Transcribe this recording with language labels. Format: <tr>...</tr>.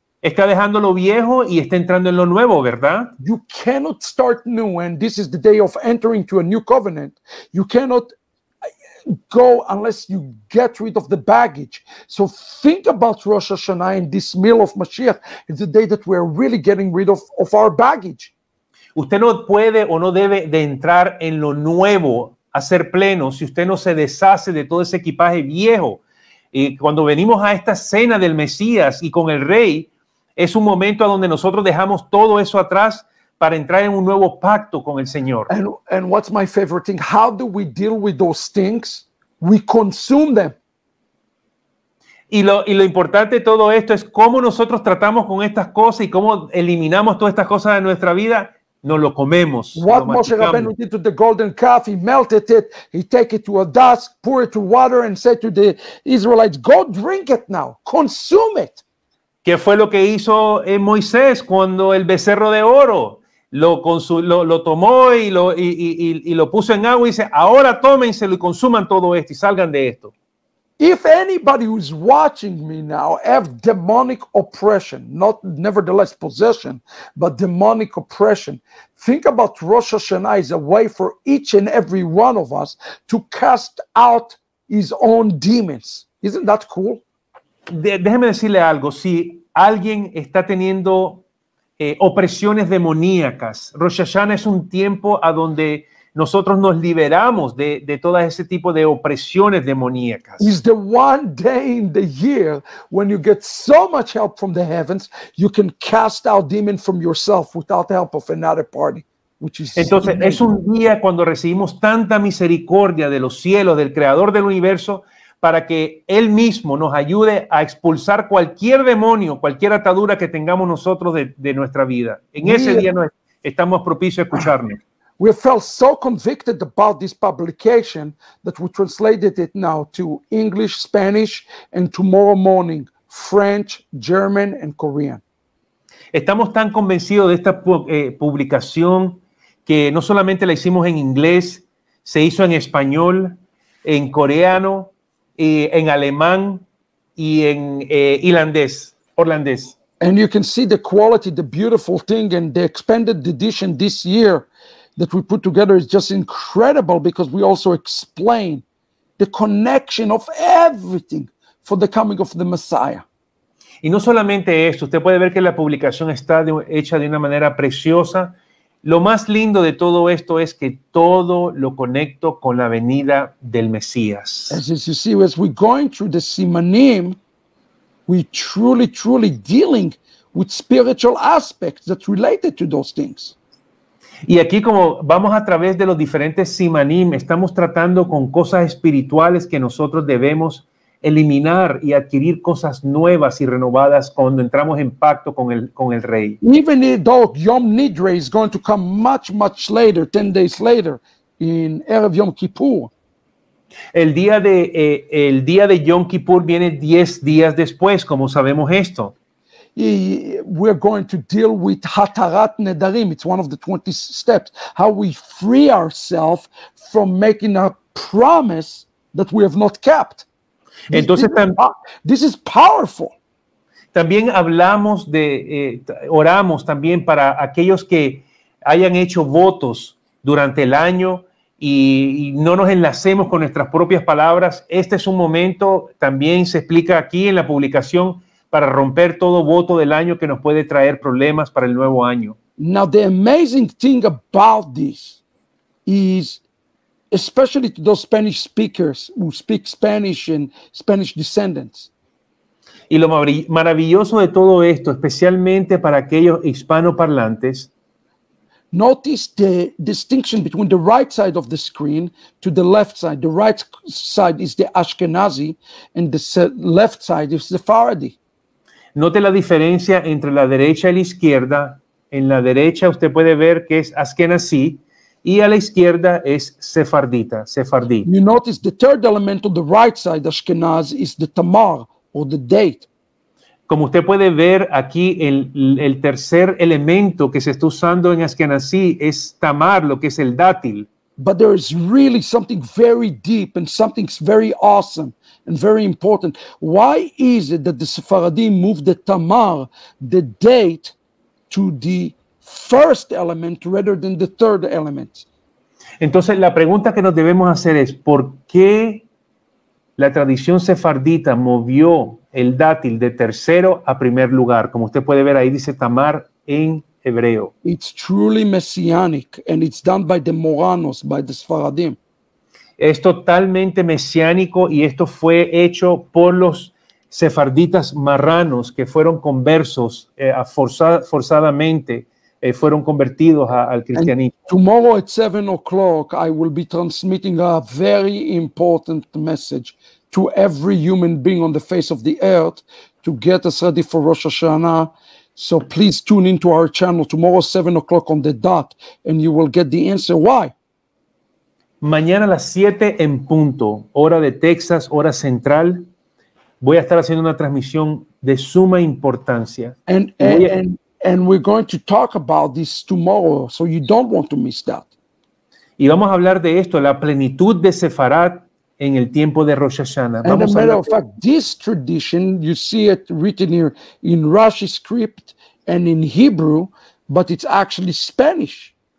<es>Está dejando lo viejo y está entrando en lo nuevo, ¿verdad?</es> <en>You cannot start new, and this is the day of entering to a new covenant. You cannot go unless you get rid of the baggage. So think about Rosh Hashanah and this meal of Mashiach. It's the day that we are really getting rid of our baggage.</en> <es>Usted no puede o no debe de entrar en lo nuevo a ser pleno si usted no se deshace de todo ese equipaje viejo. Y cuando venimos a esta cena del Mesías y con el Rey, es un momento a donde nosotros dejamos todo eso atrás para entrar en un nuevo pacto con el Señor.</es> <en>And what's my favorite thing? How do we deal with those things? We consume them.</en> <es>Y lo importante de todo esto es cómo nosotros tratamos con estas cosas y cómo eliminamos todas estas cosas de nuestra vida. Nos lo comemos.</es> <en>What Moshe Rabbeinu did to the golden calf? He melted it. He take it to a dust, pour it to water, and said to the Israelites, "Go drink it now. Consume it."</en> <es>¿Qué fue lo que hizo Moisés cuando el becerro de oro lo tomó y lo puso en agua y dice, ahora tómenselo y consuman todo esto y salgan de esto?</es> <en>If anybody who's watching me now have demonic oppression, not nevertheless possession, but demonic oppression, think about Rosh Hashanah as a way for each and every one of us to cast out his own demons. Isn't that cool?</en> <es>Déjeme decirle algo. Si alguien está teniendo opresiones demoníacas, Rosh Hashanah es un tiempo a donde nosotros nos liberamos de todo ese tipo de opresiones demoníacas.</es> <en>It's the one day in the year when you get so much help from the heavens, you can cast out demon from yourself without the help of another party.</en> <es>Entonces, es un día cuando recibimos tanta misericordia de los cielos, del Creador del Universo, para que Él mismo nos ayude a expulsar cualquier demonio, cualquier atadura que tengamos nosotros de nuestra vida. En ese día estamos propicios a escucharnos.</es> <en>We felt so convicted about this publication that we translated it now to English, Spanish, and tomorrow morning, French, German, and Korean.</en> <es>Estamos tan convencidos de esta publicación que no solamente la hicimos en inglés, se hizo en español, en coreano, en alemán y en holandés.</es> <en>And you can see the quality, the beautiful thing, and the expanded edition this year that we put together is just incredible, because we also explain the connection of everything for the coming of the Messiah.</en> <es>Y no solamente esto, usted puede ver que la publicación está hecha de una manera preciosa. Lo más lindo de todo esto es que todo lo conecto con la venida del Mesías.</es> <en>As you see, as we're going through the Simanim, we're truly, truly dealing with spiritual aspects that related to those things.</en> <es>Y aquí, como vamos a través de los diferentes Simanim, estamos tratando con cosas espirituales que nosotros debemos eliminar y adquirir cosas nuevas y renovadas cuando entramos en pacto con el Rey.</es> <en>Even though Yom Nidre is going to come much, much later, 10 days later, in Erev Yom Kippur.</en> <es>El día de Yom Kippur viene 10 días después, como sabemos esto.</es> <en>We're going to deal with Hatarat Nedarim. It's one of the 20 steps. How we free ourselves from making a promise that we have not kept.</en> <es>Entonces,</es> <en>this is powerful.</en> <es>También hablamos de, oramos también para aquellos que hayan hecho votos durante el año y no nos enlacemos con nuestras propias palabras. Este es un momento, también se explica aquí en la publicación, para romper todo voto del año que nos puede traer problemas para el nuevo año.</es> <en>Now, the amazing thing about this is, especially to those Spanish speakers who speak Spanish and Spanish descendants.</en> <es>Y lo maravilloso de todo esto, especialmente para aquellos hispanoparlantes.</es> <en>Notice the distinction between the right side of the screen to the left side. The right side is the Ashkenazi and the left side is the Sephardi.</en> <es>Note la diferencia entre la derecha y la izquierda. En la derecha usted puede ver que es Ashkenazi y a la izquierda es Sefardita, Sefardí.</es> <en>You notice the third element on the right side, Ashkenaz, is the Tamar or the date.</en> <es>Como usted puede ver aquí, el tercer elemento que se está usando en Ashkenazí es tamar, lo que es el dátil.</es> <en>But there is really something very deep and something very awesome and very important. Why is it that the Sephardim moved the tamar, the date, to the first element rather than the third element?</en> <es>Entonces, la pregunta que nos debemos hacer es, ¿por qué la tradición sefardita movió el dátil de tercero a primer lugar? Como usted puede ver, ahí dice tamar en hebreo. It's truly messianic, and it's done by the Moranos, by the Sfaradim. Es totalmente mesiánico, y esto fue hecho por los sefarditas marranos, que fueron conversos forzadamente. Fueron convertidos al cristianismo.</es> <en>And tomorrow at 7 o'clock, I will be transmitting a very important message to every human being on the face of the earth to get us ready for Rosh Hashanah. So please tune into our channel tomorrow 7 o'clock on the dot, and you will get the answer why.</en> <es>Mañana a las 7 en punto, hora de Texas, hora central, voy a estar haciendo una transmisión de suma importancia.</es> <en>And we're going to talk about this tomorrow, so you don't want to miss that.</en> <es>Y vamos a hablar de esto, la plenitud de Sefarad en el tiempo de Rosh Hashanah.</es> <en>And as a matter of fact, this tradition, you see it written here in Rashi script and in Hebrew, but it's actually Spanish.</en>